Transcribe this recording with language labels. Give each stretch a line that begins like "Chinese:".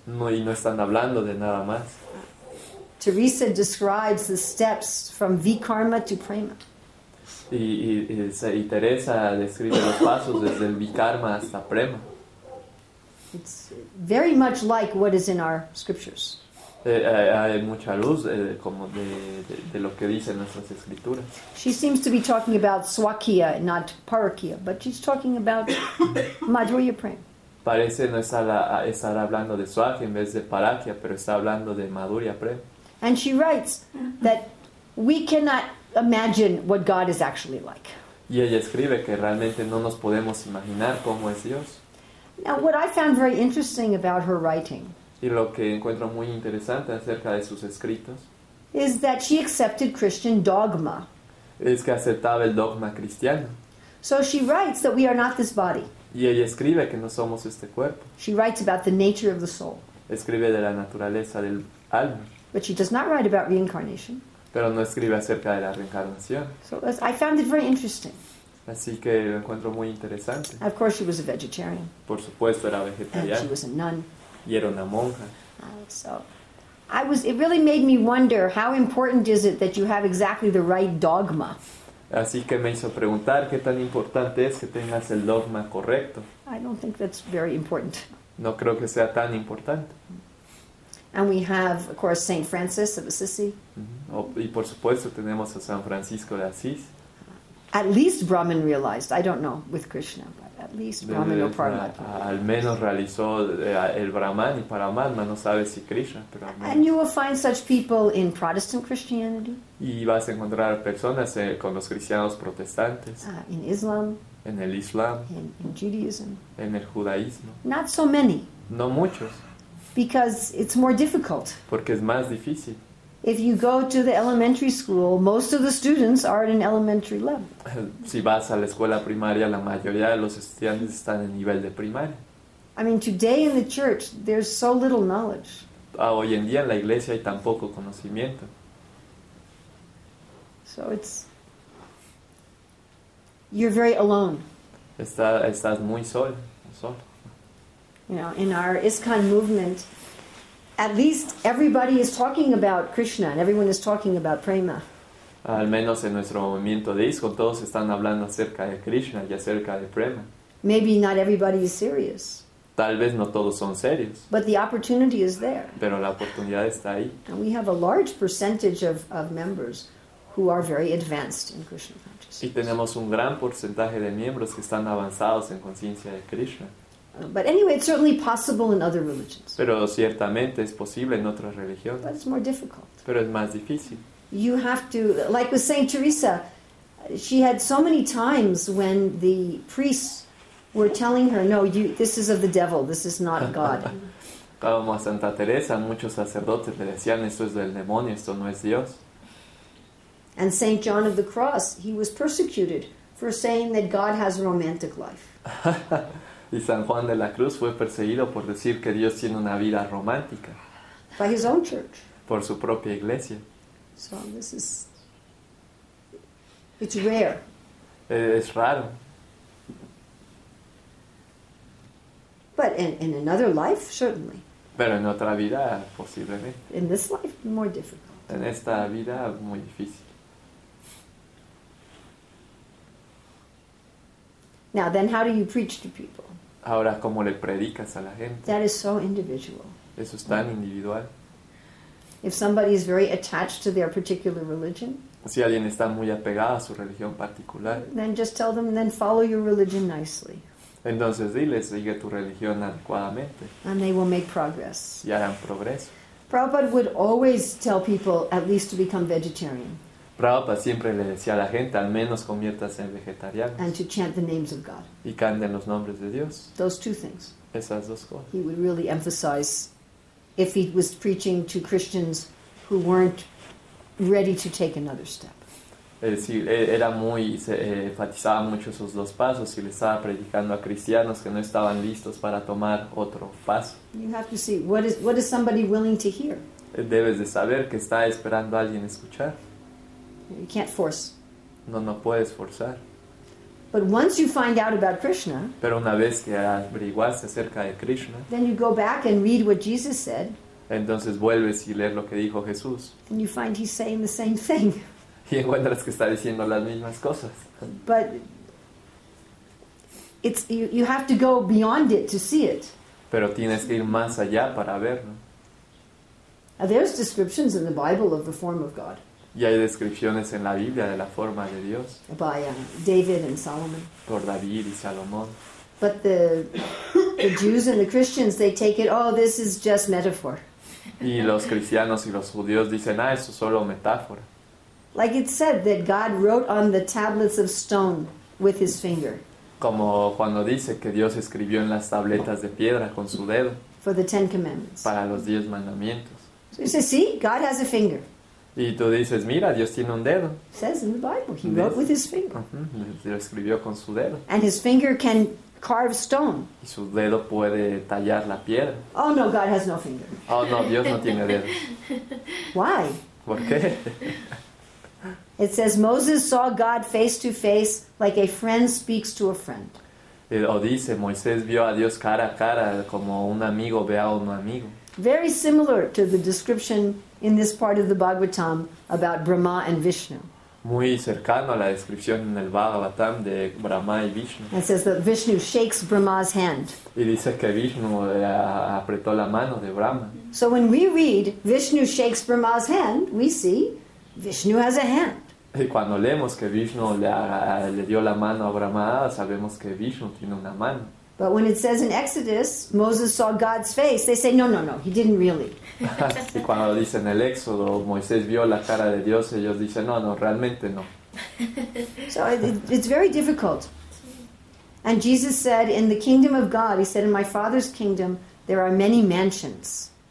Spanish: No, y no están hablando de nada más.
English: Teresa describes the steps from Vikarma to Prema.
Spanish: Y Teresa describe los pasos desde el Vikarma hasta Prema.
English: It's very much like what is in our scriptures.
Spanish: Hay mucha luz como de lo que dicen nuestras escrituras.
English: She seems to be talking about Swakya, not Parakya, but she's talking about Madhurya Prem.
Spanish: Parece no estar hablando de Swakya en vez de Parakya, pero está hablando de Madhurya Prem.
English: And she writes that we cannot imagine what God is actually like.
Spanish: Y ella escribe que realmente no nos podemos imaginar cómo es Dios.
English: Now, what I found very interesting about her writing.
Spanish: Y lo que encuentro muy interesante acerca de sus escritos
English: is that she accepted Christian dogma.
Spanish: Es que aceptaba el dogma cristiano.
English: So she writes that we are not this body.
Spanish: Y ella escribe que no somos este cuerpo.
English: She writes about the nature of the soul.
Spanish: Escribe de la naturaleza del alma.
English: But she does not write about reincarnation.
Spanish: Pero no escribe acerca de la reencarnación.
English: So I found it very interesting.
Spanish: Así que lo encuentro muy interesante.
English: Of course she was a vegetarian.
Spanish: Por supuesto era vegetariana.
English: And she was a nun.
Spanish: Y era una monja.
English: It really made me wonder how important is it that you have exactly the right dogma.
Spanish: Así que me hizo preguntar qué tan importante es que tengas el dogma correcto.
English: I don't think that's very important.
Spanish: No creo que sea tan importante.
English: And we have, of course, Saint Francis of Assisi.
Spanish: Y por supuesto tenemos a San Francisco de Asís.
English: At least Brahman realized. I don't know with Krishna, but at least Brahman or Paramatma.
Spanish: Al menos realizó el Brahman y Paramatma. No sabe si Krishna, pero.
English: And you will find such people in Protestant Christianity.
Spanish: Y vas a encontrar personas con los cristianos protestantes.
English: In Islam.
Spanish: En el Islam.
English: In Judaism.
Spanish: En el judaísmo.
English: Not so many.
Spanish: No muchos.
English: Because it's more difficult.
Spanish: Porque es más difícil.
English: If you go to the elementary school, most of the students are at an elementary level.
Spanish: Si vas a la escuela primaria, la mayoría de los estudiantes están en nivel de primaria.
English: I mean, today in the church, there's so little knowledge.
Spanish: Ah, hoy en día en la iglesia hay tan poco conocimiento.
English: So it's... You're very alone.
Spanish: Estás muy solo.
English: You know, in our ISKCON movement... At least everybody is talking about Krishna and everyone is talking about Prema.
Spanish: Al menos en nuestro movimiento de ISKCON todos están hablando acerca de Krishna y acerca de Prema.
English: Maybe not everybody is serious.
Spanish: Tal vez no todos son serios.
English: But the opportunity is there.
Spanish: Pero la oportunidad está ahí.
English: And we have a large percentage of members who are very advanced in Krishna consciousness.
Spanish: Y tenemos un gran porcentaje de miembros que están avanzados en conciencia de Krishna.
English: But anyway, it's certainly possible in other religions.
Spanish: Pero ciertamente es posible en otras religiones.
English: But it's more difficult.
Spanish: Pero es más difícil.
English: You have to, like with Saint Teresa, she had so many times when the priests were telling her, "No, this is of the devil. This is not God."
Spanish: Como a Santa Teresa, muchos sacerdotes le decían, "Esto es del demonio. Esto no es Dios."
English: And Saint John of the Cross, he was persecuted for saying that God has a romantic life.
Spanish: Y San Juan de la Cruz fue perseguido por decir que Dios tiene una vida romántica.
English: By his own church.
Spanish: Por su propia iglesia.
English: So this is... It's rare.
Spanish: Es raro.
English: But in another life, certainly.
Spanish: Pero en otra vida, posiblemente.
English: In this life, more difficult.
Spanish: En esta vida, muy difícil.
English: Now, then how do you preach to people?
Spanish: Ahora, ¿cómo le predicas a la gente?
English: That is so individual.
Spanish: Eso es tan individual.
English: If somebody is very attached to their particular religion,
Spanish: si alguien está muy apegado a su religión particular,
English: then just tell them, then follow your religion nicely.
Spanish: Entonces diles, sigue tu religión adecuadamente.
English: And they will make progress.
Spanish: Y harán progreso.
English: Prabhupada would always tell people at least to become vegetarian.
Spanish: Prabhupada siempre le decía a la gente, al menos conviértase en vegetariano.
English: And to chant the names of God.
Spanish: Y canten los nombres de Dios.
English: Those two things.
Spanish: Esas dos cosas.
English: He would really emphasize if he was preaching to Christians who weren't ready to take another step.
Spanish: Sí, era muy, se enfatizaba mucho esos dos pasos y le estaba predicando a cristianos que no estaban listos para tomar otro paso.
English: You have to see, what is somebody willing to hear?
Spanish: Debes de saber que está esperando a alguien escuchar.
English: You can't force.
Spanish: No puedes forzar.
English: But once you find out about Krishna,
Spanish: pero una vez que averiguaste acerca de Krishna,
English: then you go back and read what Jesus said.
Spanish: Entonces vuelves y lees lo que dijo Jesús.
English: And you find he's saying the same thing.
Spanish: Y encuentras que está diciendo las mismas cosas.
English: But it's you have to go beyond it to see it.
Spanish: Pero tienes que ir más allá para verlo.
English: Now, there's descriptions in the Bible of the form of God.
Spanish: Y hay descripciones en la Biblia de la forma de Dios.
English: By David and Solomon.
Spanish: Por David y Salomón.
English: But the Jews and the Christians, they take it, oh, this is just metaphor.
Spanish: Y los cristianos y los judíos dicen, ah, eso es solo metáfora.
English: Like it said that God wrote on the tablets of stone with his finger.
Spanish: Como cuando dice que Dios escribió en las tabletas de piedra con su dedo.
English: For the Ten Commandments.
Spanish: Para los 10 mandamientos.
English: So you say, see, God has a finger.
Spanish: Y tú dices, mira, Dios tiene un dedo.
English: It says in the Bible, he wrote with his finger.
Spanish: Lo escribió con su dedo.
English: And his finger can carve stone.
Spanish: Y su dedo puede tallar la piedra.
English: Oh no, God has no finger.
Spanish: Oh no, Dios no tiene dedo.
English: Why?
Spanish: ¿Por qué?
English: It says Moses saw God face to face like a friend speaks to a friend.
Spanish: O dice, Moisés vio a Dios cara a cara como un amigo ve a un amigo.
English: Very similar to the description in this part of the Bhagavatam about Brahma and Vishnu.
Spanish: Muy cercano a la descripción en el Bhagavatam de Brahma y Vishnu.
English: It says that Vishnu shakes Brahma's hand.
Spanish: Y dice que Vishnu apretó la mano de Brahma.
English: So when we read Vishnu shakes Brahma's hand, we see Vishnu has a hand.
Spanish: Y cuando leemos que Vishnu le dio la mano a Brahma, sabemos que Vishnu tiene una mano.
English: But when it says in Exodus, Moses saw God's face, they say, no, he didn't really.
Spanish: Y cuando dice en el Éxodo, Moisés vio la cara de Dios, ellos dicen, no, realmente no.
English: So it's very difficult. And Jesus said, in the kingdom of God, he said, in my Father's kingdom, there are many mansions.